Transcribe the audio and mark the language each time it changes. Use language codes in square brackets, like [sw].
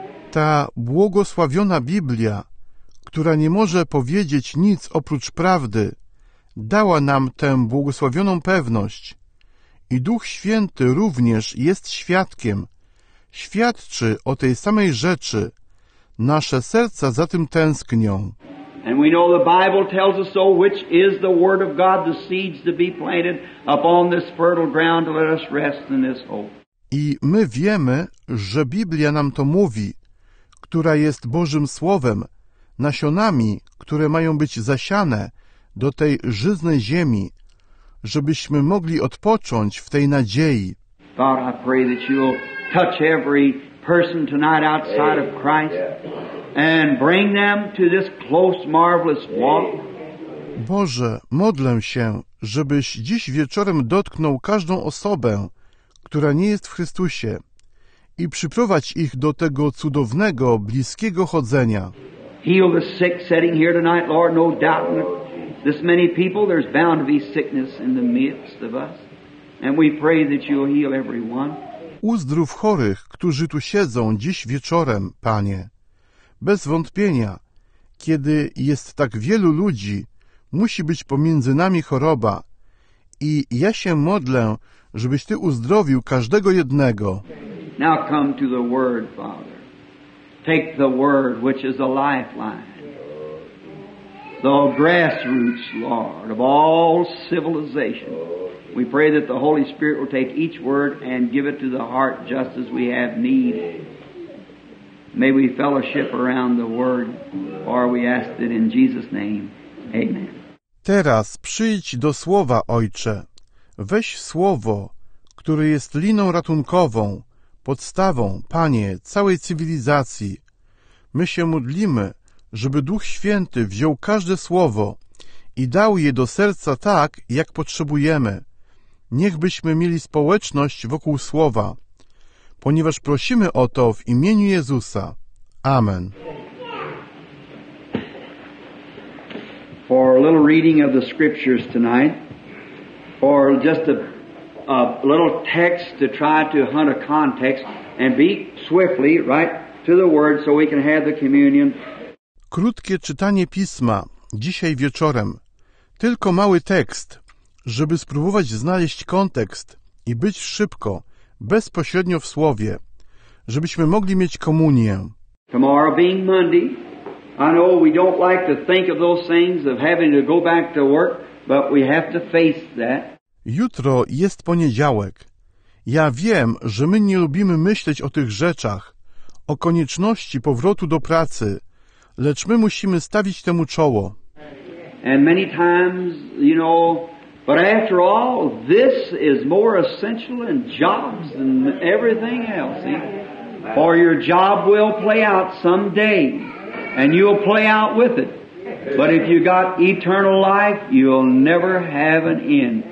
[pl] Ta błogosławiona Biblia, która nie może powiedzieć nic oprócz prawdy, dała nam tę błogosławioną pewność. I Duch Święty również jest świadkiem, świadczy o tej samej rzeczy. Nasze serca za tym tęsknią. [en] And we know the Bible tells us so, which is the Word of God, the seeds to be planted upon this fertile ground, let us rest in this hope. [pl] I my wiemy, że Biblia nam to mówi, która jest Bożym Słowem, nasionami, które mają być zasiane do tej żyznej ziemi, żebyśmy mogli odpocząć w tej nadziei. [en] God, I pray that you'll touch every person tonight outside of Christ and bring them to this close, marvelous walk. [pl] Boże, modlę się, żebyś dziś wieczorem dotknął każdą osobę, która nie jest w Chrystusie, i przyprowadź ich do tego cudownego, bliskiego chodzenia. [en] Heal the sick sitting here tonight, Lord. No doubt in this many people, there's bound to be sickness in the midst of us. And we pray that you'll heal everyone. [pl] Uzdrów chorych, którzy tu siedzą dziś wieczorem, Panie. Bez wątpienia, kiedy jest tak wielu ludzi, musi być pomiędzy nami choroba. I ja się modlę, żebyś Ty uzdrowił każdego jednego. [en] Now come to the Word, Father. Take the Word, which is a lifeline. The grassroots, Lord, of all civilization. We pray that the Holy Spirit will take each word and give it to the heart just as we have need. May we fellowship around the Word, for we ask it in Jesus' name. Amen. [pl] Teraz przyjdź do Słowa, Ojcze. Weź Słowo, które jest liną ratunkową, podstawą, Panie, całej cywilizacji. My się modlimy, żeby Duch Święty wziął każde słowo i dał je do serca tak, jak potrzebujemy. Niechbyśmy mieli społeczność wokół Słowa, ponieważ prosimy o to w imieniu Jezusa. Amen. [en] For a little reading of the scriptures tonight, or just a little text to try to hunt a context and be swiftly right to the word so we can have the communion. [pl] Krótkie czytanie pisma dzisiaj wieczorem. Tylko mały tekst, żeby spróbować znaleźć kontekst i być szybko, bezpośrednio w słowie, żebyśmy mogli mieć komunię. [en] Tomorrow being Monday, I know we don't like to think of those things of having to go back to work, but we have to face that. [pl] Jutro jest poniedziałek. Ja wiem, że my nie lubimy myśleć o tych rzeczach, o konieczności powrotu do pracy, lecz my musimy stawić temu czoło. [en] And many times, you know, but after all, this is more essential in jobs than everything else. See? For your job will play out someday, and you'll play out with it. But if you got eternal life, you'll never have an end.